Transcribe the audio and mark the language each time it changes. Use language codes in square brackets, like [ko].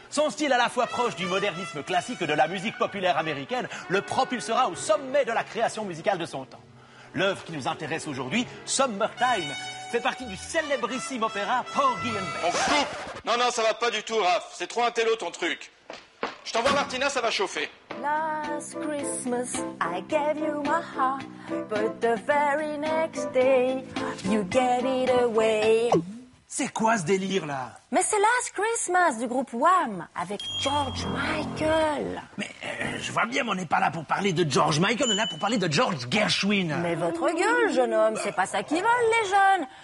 [fr] Son style à la fois proche du modernisme classique et de la musique populaire américaine le propulsera au sommet de la création musicale de son temps. L'œuvre qui nous intéresse aujourd'hui, Summertime, fait partie du célébrissime opéra Porgy and Bess. On coupe ! Non, non, ça va pas du tout, Raph. C'est trop un télo, ton truc. Je t'envoie Martina, ça va chauffer. [en] Last Christmas, I gave you my heart, but the very next day, you get it away. [fr] C'est quoi ce délire, là? Mais c'est Last Christmas du groupe Wham, avec George Michael. Mais je vois bien, mais on n'est pas là pour parler de George Michael, on est là pour parler de George Gershwin. Mais votre gueule, jeune homme, c'est pas ça qu'ils veulent, les jeunes.